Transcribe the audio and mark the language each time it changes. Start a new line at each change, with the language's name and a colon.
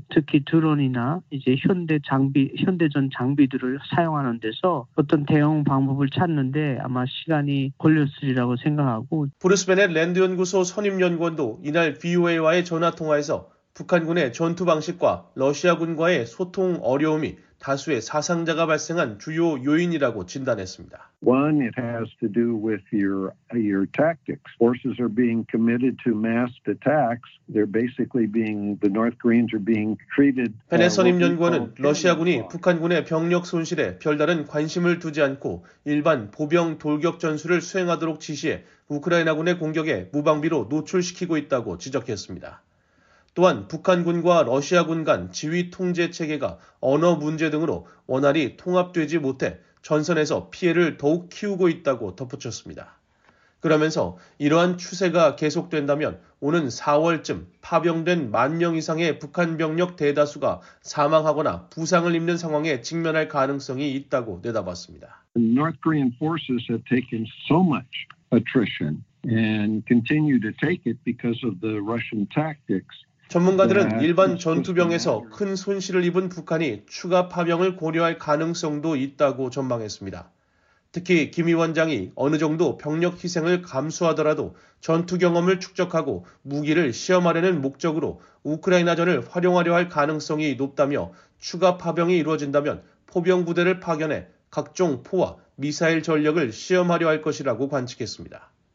Korean: 특히 드론이나 이제 현대전 장비들을 사용하는 데서 어떤 대응 방법을 찾는데 아마 시간이 걸렸으리라고 생각하고. 브루스베넷 랜드연구소 선임연구원도 이날 VOA와의 전화통화에서 북한군의 전투 방식과 러시아군과의 소통 어려움이 다수의 사상자가 발생한 주요 요인이라고 진단했습니다.
English: One, it has to do with your tactics. Forces are being committed to massed attacks. They're basically being the North Koreans are being treated.
Korean: 벤의 선임연구원은 러시아군이 북한군의 병력 손실에 별다른 관심을 두지 않고 일반 보병 돌격 전술을 수행하도록 지시해 우크라이나군의 공격에 무방비로 노출시키고 있다고 지적했습니다. 또한 북한군과 러시아군 간 지휘 통제 체계가 언어 문제 등으로 원활히 통합되지 못해 전선에서 피해를 더욱 키우고 있다고 덧붙였습니다. 그러면서 이러한 추세가 계속된다면 오는 4월쯤 파병된 1만 명 이상의 북한 병력 대다수가 사망하거나 부상을 입는 상황에 직면할 가능성이 있다고 내다봤습니다.
English: North Korean forces have taken so much attrition and continue to take it because of the Russian tactics.
Korean: 전문가들은 일반 전투병에서 큰 손실을 입은 북한이 추가 파병을 고려할 가능성도 있다고 전망했습니다. 특히 김 위원장이 어느 정도 병력 희생을 감수하더라도 전투 경험을 축적하고 무기를 시험하려는 목적으로 우크라이나전을 활용하려 할 가능성이 높다며 추가 파병이 이루어진다면 포병 부대를 파견해 각종 포와 미사일 전력을 시험하려 할 것이라고 관측했습니다.